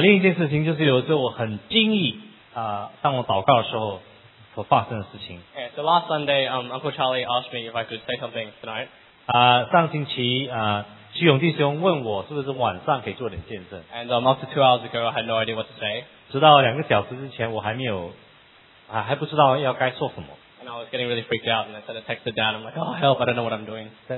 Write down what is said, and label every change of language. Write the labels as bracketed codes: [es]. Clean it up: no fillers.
[zh] 另一件事情就是有时候我很惊异当我祷告的时候所发生的事情。 [en] Okay, so last Sunday, Uncle Charlie asked me if I could say something tonight. [zh] 上星期徐永弟兄问我是不是晚上可以做点见证。 [en] And after 2 hours ago, I had no idea what to say. [zh] 直到两个小时之前，我还没有，还不知道要该说什么。 [en] And I was getting really freaked out, and I sent a text to Dad. I'm like, "Oh, help! I don't know what I'm doing."